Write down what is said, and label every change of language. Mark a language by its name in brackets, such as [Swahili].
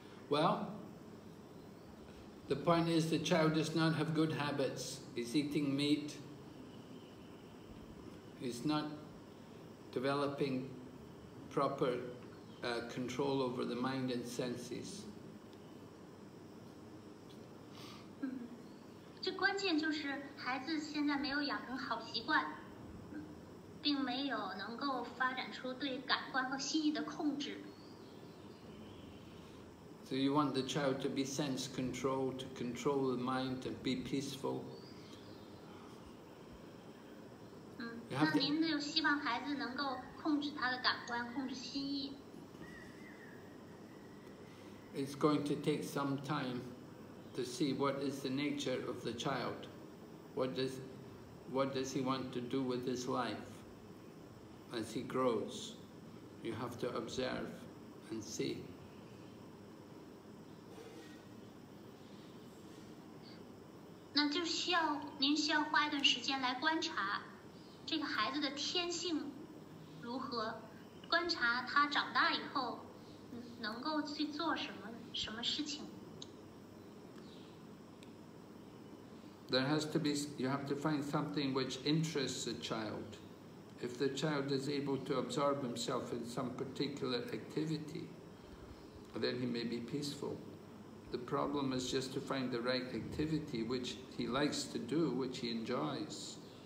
[English] Well, the point is the child does not have good habits. He's eating meat. He's not developing proper control over the mind and senses. [Chinese] 最关键就是孩子现在没有养成好习惯。并没有能够发展出对感官和心意的控制。 [English] So you want the child to be sense controlled, to control the mind, to be peaceful. [Chinese] 那您就希望孩子能够控制他的感官，控制心意。 [English] It's going to take some time to see what is the nature of the child. What does he want to do with his life? As he grows, you have to observe and see. [Chinese] 那就需要您需要花一段时间来观察这个孩子的天性如何，观察他长大以后能够去做什么事情。 [English] There has to be, you have to find something which interests a child. If the child is able to absorb himself in some particular activity, then he may be peaceful. The problem is just to find the right activity which he likes to do, which he enjoys.